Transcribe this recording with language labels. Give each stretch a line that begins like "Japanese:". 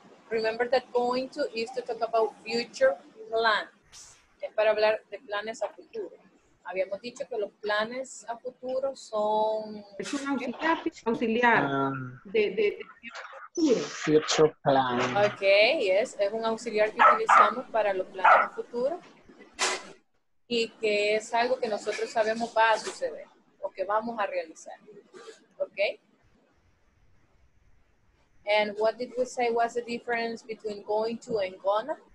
English: Remember that going to is to talk about future plans.
Spanish: Es para hablar de planes a futuro. Habíamos dicho que los planes a futuro son... Es un auxiliar de
English: future plan. Okay, yes.
Spanish: Es un auxiliar que utilizamos para los planes a futuro. Y que es algo que nosotros sabemos va a suceder o que vamos a realizar.
English: Okay? And what did we say was the difference between going to and gonna?